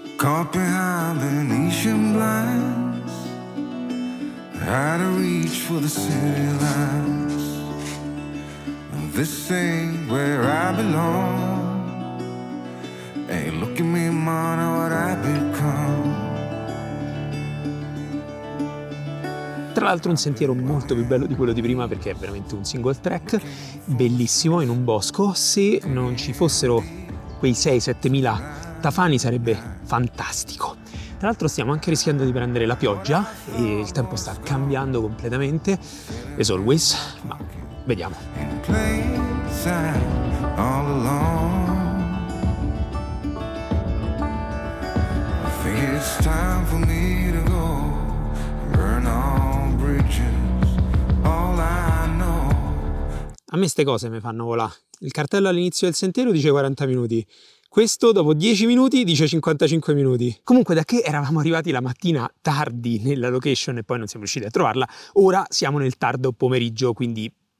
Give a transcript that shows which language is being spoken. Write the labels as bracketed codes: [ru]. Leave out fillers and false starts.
[en] Copenhagen blinds, how to reach for the city lights. This ain't where I belong. Hey, look at me, man, what I've become. [it] Tra l'altro un sentiero molto più bello di quello di prima, perché è veramente un single track bellissimo in un bosco. Se non ci fossero quei 6-7 mila tafani sarebbe fantastico. Tra l'altro stiamo anche rischiando di prendere la pioggia e il tempo sta cambiando completamente [en] as always, [it] ma vediamo. [en] All along, I think it's time for me to go burn all bridges. All I know. [it] A me ste cose mi fanno volare. Il cartello all'inizio del sentiero dice 40 minuti. Questo dopo 10 minuti dice 55 minuti. Comunque, da che eravamo arrivati la mattina tardi nella location e poi non siamo riusciti a trovarla, ora siamo nel tardo pomeriggio, quindi.